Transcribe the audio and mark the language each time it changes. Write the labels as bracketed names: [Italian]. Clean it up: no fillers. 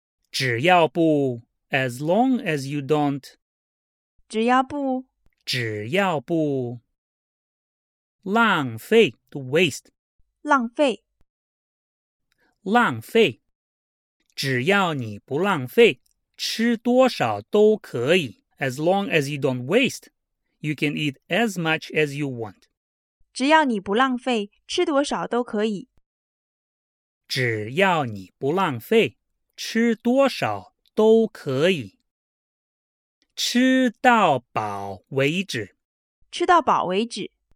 [Chinese] 只要不, [English] as long as you don't. [Chinese] 只要不. 只要不.浪费, [English] to waste. [Chinese] 浪费. 浪费. 只要你不浪费, 吃多少都可以. [English] As long as you don't waste, you can eat as much as you want. [Chinese] 只要你不浪费, 吃多少都可以. 只要你不浪费，吃多少都可以。吃到饱为止。吃到饱为止。